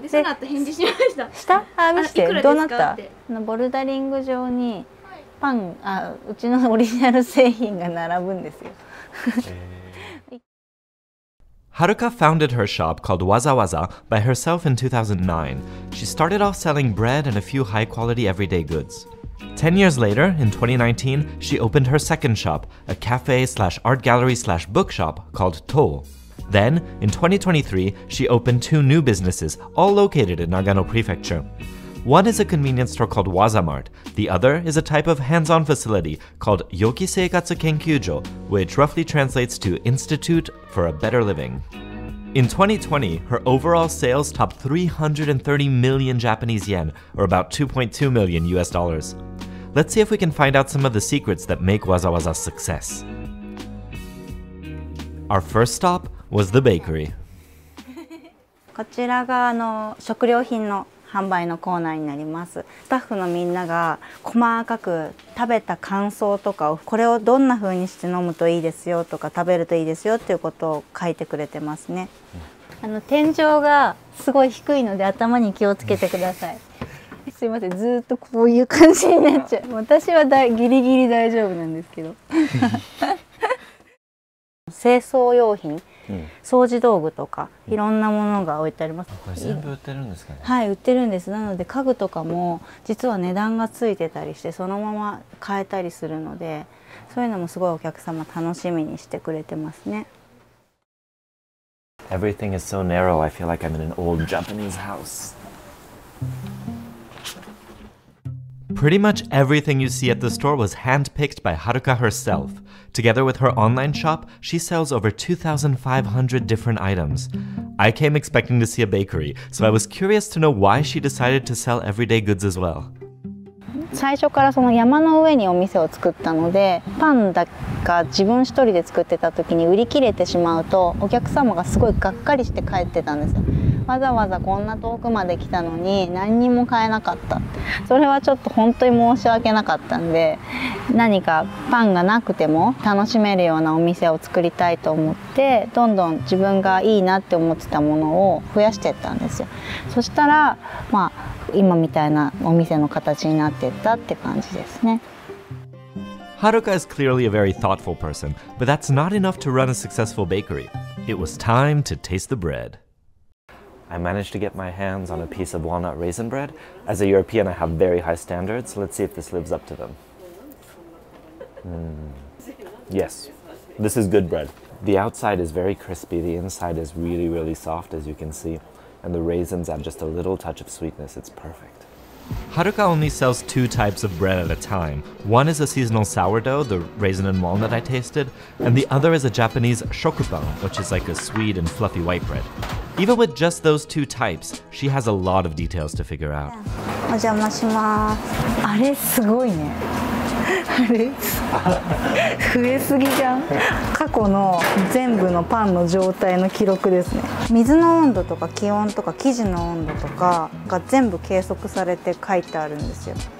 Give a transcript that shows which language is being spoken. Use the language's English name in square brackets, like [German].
[Japanese] で、その後返事しました。下あ、見せて。どうなったあのボルダリング上にパン、はい、あ、うちのオリジナル製品が並ぶんですよ。 [English] Haruka founded her shop called Wazawaza by herself in 2009. She started off selling bread and a few high-quality everyday goods. 10 years later, in 2019, she opened her second shop, a cafe slash art gallery slash bookshop called To. Then, in 2023, she opened two new businesses, all located in Nagano Prefecture. One is a convenience store called Wazamart. The other is a type of hands-on facility called Yoki Seikatsu Kenkyujo, which roughly translates to Institute for a Better Living. In 2020, her overall sales topped 330 million Japanese yen, or about 2.2 million US dollars. Let's see if we can find out some of the secrets that make Wazawaza's success. Our first stop was the bakery. [Japanese] こちらがあの食料品の販売のコーナーになります。スタッフのみんなが細かく食べた感想とかをこれをどんな風にして飲むといいですよとか食べるといいですよっていうことを書いてくれてますね。あの天井がすごい低いので頭に気をつけてください。すいません、ずっとこういう感じになっちゃう。私はギリギリ大丈夫なんですけど。清掃用品、掃除道具とか、いろんなものが置いてあります。これ全部売ってるんですかね。はい、売ってるんです。なので家具とかも実は値段がついてたりして、そのまま買えたりするので、そういうのもすごいお客様楽しみにしてくれてますね。 [English] Everything is so narrow. I feel like I'm in an old Japanese house. Pretty much everything you see at the store was handpicked by Haruka herself. Together with her online shop, she sells over 2,500 different items. I came expecting to see a bakery, so I was curious to know why she decided to sell everyday goods as well. [Japanese] 最初からその山の上にお店を作ったので、パンだか自分一人で作ってた時に売り切れてしまうとお客様がすごいがっかりして帰ってたんです。わざわざこんな遠くまで来たのに何にも買えなかった。それはちょっと本当に申し訳なかったんで、何かパンがなくても楽しめるようなお店を作りたいと思って、どんどん自分がいいなって思ってたものを増やしていったんですよ。そしたら、まあ、今みたいなお店の形になっていったって感じですね。 [English] Haruka is clearly a very thoughtful person, but that's not enough to run a successful bakery. It was time to taste the bread. I managed to get my hands on a piece of walnut raisin bread. As a European, I have very high standards. Let's see if this lives up to them. Yes, this is good bread. The outside is very crispy. The inside is really, really soft, as you can see. And the raisins add just a little touch of sweetness. It's perfect. Haruka only sells two types of bread at a time. One is a seasonal sourdough, the raisin and walnut I tasted. And the other is a Japanese shokupan, which is like a sweet and fluffy white bread. Even with just those two types, she has a lot of details to figure out. [Japanese] お邪魔します。あれすごいね。あれ増えすぎじゃん。過去の全部のパンの状態の記録ですね。水の温度とか気温とか生地の温度とかが全部計測されて書いてあるんですよ。